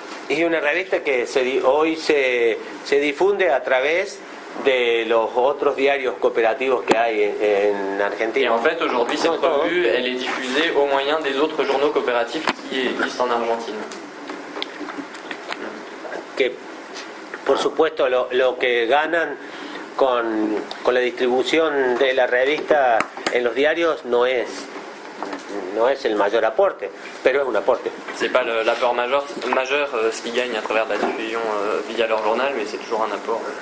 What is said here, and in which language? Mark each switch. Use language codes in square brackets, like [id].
[fr] Et une revue qui aujourd'hui se diffuse à travers [es] de los otros diarios cooperativos que hay en Argentina. [fr] Y en fait, aujourd'hui, cette revue, elle est diffusée au moyen des autres journaux coopératifs qui existent en Argentine. [es] Que, por supuesto, lo que ganan con la distribución de la revista en los diarios no es el mayor aporte, pero es un aporte. [fr] C'est pas l'apport majeur ce qu'ils gagnent à travers la diffusion via leur journal, mais c'est toujours un apport.